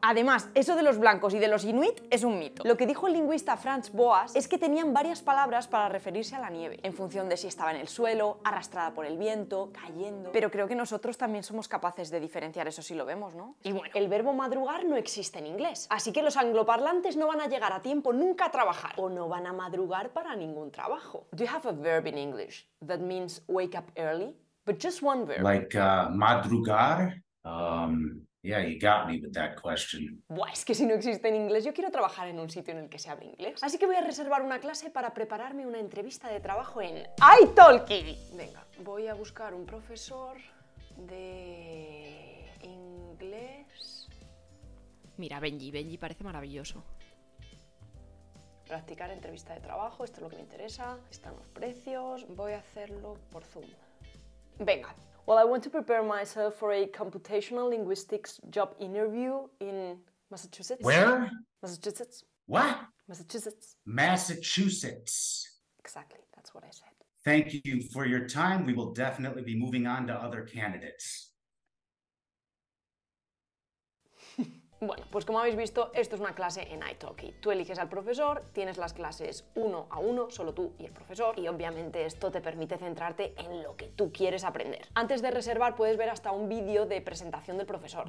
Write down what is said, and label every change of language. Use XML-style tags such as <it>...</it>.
<es>Además, eso de los blancos y de los inuit es un mito. Lo que dijo el lingüista Franz Boas es que tenían varias palabras para referirse a la nieve, en función de si estaba en el suelo, arrastrada por el viento, cayendo... Pero creo que nosotros también somos capaces de diferenciar eso si lo vemos, ¿no? Y bueno, el verbo madrugar no existe en inglés, así que los angloparlantes no van a llegar a tiempo nunca a trabajar. O no van a madrugar para ningún trabajo.</es> <en>Do you have a verb in English that means wake up early? But just one verb. Like madrugar? Yeah, you got me with that question.</en> <es>Buah, es que si no existe en inglés, yo quiero trabajar en un sitio en el que se hable inglés. Así que voy a reservar una clase para prepararme una entrevista de trabajo en iTalki. Venga, voy a buscar un profesor de inglés. Mira, Benji, Benji parece maravilloso. Practicar entrevista de trabajo, esto es lo que me interesa. Están los precios, voy a hacerlo por Zoom. Venga.</es> <en>Well, I want to prepare myself for a computational linguistics job interview in Massachusetts. Where? Massachusetts. What? Massachusetts. Massachusetts. Exactly, that's what I said. Thank you for your time. We will definitely be moving on to other candidates.</en> <es>Bueno, pues como habéis visto, esto es una clase en iTalki. Tú eliges al profesor, tienes las clases uno a uno, solo tú y el profesor, y obviamente esto te permite centrarte en lo que tú quieres aprender. Antes de reservar, puedes ver hasta un vídeo de presentación del profesor.</es>